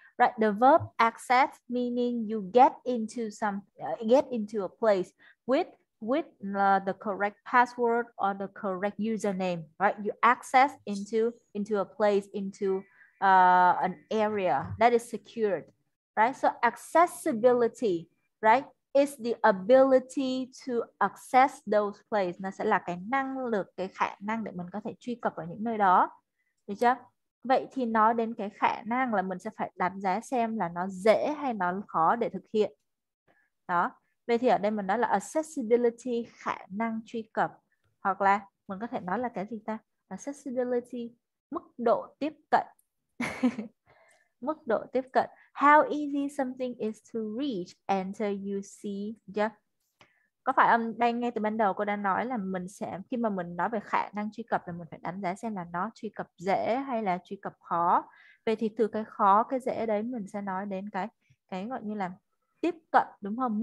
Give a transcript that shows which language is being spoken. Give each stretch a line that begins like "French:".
English: Right, the verb access meaning you get into a place with the correct password or the correct username. Right, you access into a place, into an area that is secured. Right, so accessibility, right, is the ability to access those places.
Vietnamese: Nó sẽ là cái năng lực, cái khả năng để mình có thể truy cập vào những nơi đó. Được chưa? Vậy thì nói đến cái khả năng là mình sẽ phải đánh giá xem là nó dễ hay nó khó để thực hiện. Đó. Vậy thì ở đây mình nói là accessibility, khả năng truy cập. Hoặc là mình có thể nói là cái gì ta? Accessibility, mức độ tiếp cận. Mức độ tiếp cận.
English: How easy something is to reach until you see. Yeah.
Vietnamese: Có phải ông đang nghe từ ban đầu cô đang nói là mình sẽ khi mà mình nói về khả năng truy cập thì mình phải đánh giá xem là nó truy cập dễ hay là truy cập khó. Vậy thì từ cái khó, cái dễ đấy mình sẽ nói đến cái gọi như là tiếp cận, đúng không?